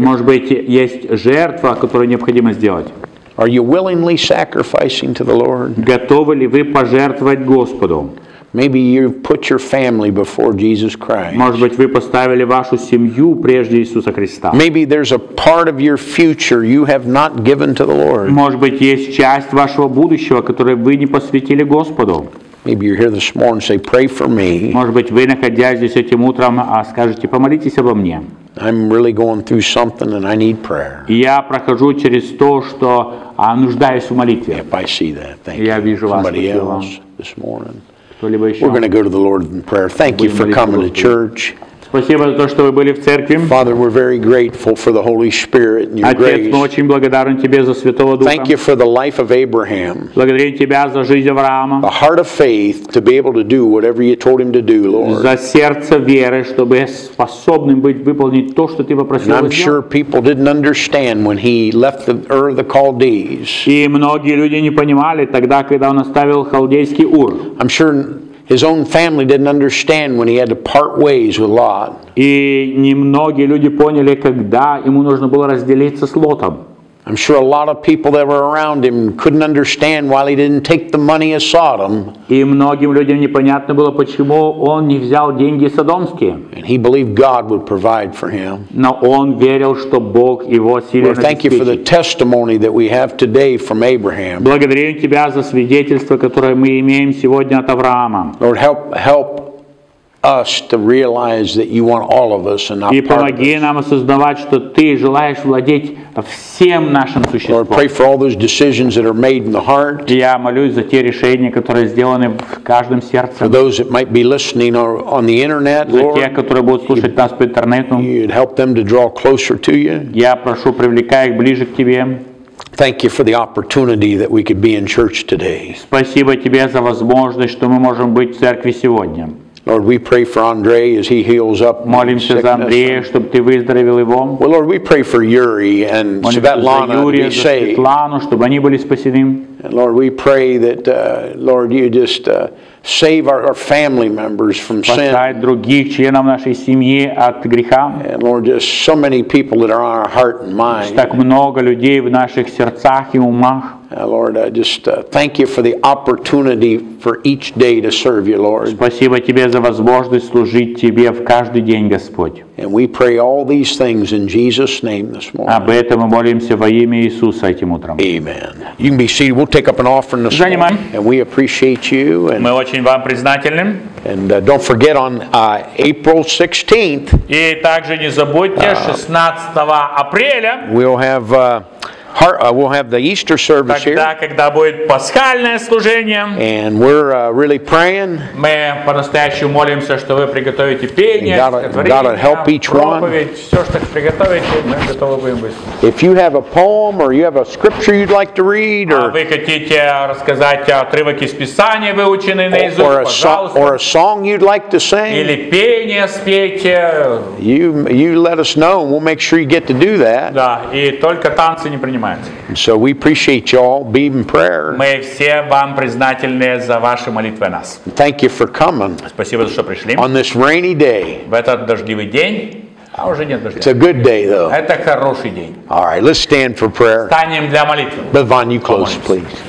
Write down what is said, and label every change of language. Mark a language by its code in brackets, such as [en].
[ru] Может быть, есть жертва, которую необходимо сделать. [en] Are you willingly sacrificing to the Lord? [ru] Готовы ли вы пожертвовать Господу? [en] Maybe you put your family before Jesus Christ. [ru] Может быть, вы поставили вашу семью прежде Иисуса Христа. [en] Maybe there's a part of your future you have not given to the Lord. [ru] Может быть, есть часть вашего будущего, которое вы не посвятили Господу. [en] Maybe you're here this morning and say, "Pray for me." [ru] Может быть, вы, находясь здесь этим утром, скажете, помолитесь обо мне. [en] I'm really going through something and I need prayer. [ru] Я прохожу через то, что нуждаюсь в молитве. [en] Yep, I see that. Thank [ru] я [en] you. [ru] Вижу вас. [en] Somebody else this morning. We're going to go to the Lord in prayer. Thank you for coming to church. [ru] Спасибо за то, что вы были в церкви. [en] Father, we're very grateful for the Holy Spirit and your [ru] Отец, [en] grace. [ru] Отец, мы очень благодарны тебе за Святого Духа. [en] Thank you for the life of Abraham. [ru] Благодарим тебя за жизнь Авраама. [en] The heart of faith to be able to do whatever you told him to do, Lord. [ru] За сердце веры, чтобы способным быть выполнить то, что ты попросил. [en] And I'm sure people didn't understand when he left the Ur of the Chaldees. [ru] И многие люди не понимали тогда, когда он оставил халдейский Ур. [en] I'm sure. His own family didn't understand when he had to part ways with Lot. [ru] И немногие люди поняли, когда ему нужно было разделиться с Лотом. [en] I'm sure a lot of people that were around him couldn't understand why he didn't take the money of Sodom. [ru] И многим людям непонятно было, почему он не взял деньги содомские. [en] And he believed God would provide for him. [ru] Но он верил, что Бог его силен обеспечить. [en] Lord, thank you for the testimony that we have today from Abraham. [ru] Благодарим тебя за свидетельство, которое мы имеем сегодня от Авраама. [en] Lord, help us to realize that you want all of us and not part of us. [ru] И помоги нам осознавать, что ты желаешь владеть всем нашим существом. [en] Lord, pray for all those decisions that are made in the heart. [ru] Я молюсь за те решения, которые сделаны в каждом сердце. [en] For those that might be listening on the internet, Lord. [ru] За тех, которые будут слушать нас по интернету. [en] You'd help them to draw closer to you. [ru] Я прошу, привлекай их ближе к тебе. [en] Thank you for the opportunity that we could be in church today. [ru] Спасибо тебе за возможность, что мы можем быть в церкви сегодня. [en] Lord, we pray for Andre as he heals up. [ru] Молимся за Андрея, чтобы ты выздоровел его. [en] Well, Lord, we pray for Yuri and Svetlana to be saved. [ru] Светлану, чтобы они были спасены. [en] Lord, we pray that Lord, you just save our family members from sin. [ru] Спасай других членов нашей семьи от греха. [en] And Lord, just so many people that are on our heart and mind. [ru] Так много людей в наших сердцах и умах. [en] Lord, I just thank you for the opportunity for each day to serve you, Lord. [ru] Спасибо тебе за возможность служить тебе в каждый день, Господь. [en] And we pray all these things in Jesus' name this morning. [ru] Об этом мы молимся во имя Иисуса этим утром. [en] Amen. You can be seated. We'll take up an offering this morning. [ru] Занимаем. [en] And we appreciate you. And [ru] мы очень вам признательны. [en] And don't forget on April 16th. [ru] И также не забудьте 16 апреля. [en] We'll have the Easter service [ru] тогда, [en] here. [ru] Когда будет пасхальное служение. [en] And we're really praying. [ru] Мы по-настоящему молимся, что вы приготовите пение, проповедь, все, что приготовите, мы готовы будем быть. [en] If you have a poem or you have a scripture you'd like to read, or [ru] вы хотите рассказать отрывок из Писания, выученный наизусть, пожалуйста. [en] Or a song you'd like to sing. [ru] Или пение спеть. [en] You let us know, and we'll make sure you get to do that. [ru] Да, и только танцы не. [en] And so we appreciate you all being in prayer. [ru] Мы все вам признательны за ваши молитвы нас. [en] Thank you for coming. [ru] Спасибо за что пришли. [en] On this rainy day. [ru] В этот дождливый день. А уже нет дождя. [en] It's a good day though. [ru] Это хороший день. [en] All right, let's stand for prayer. [ru] Станем для молитвы. [en] Bevan, you close, please.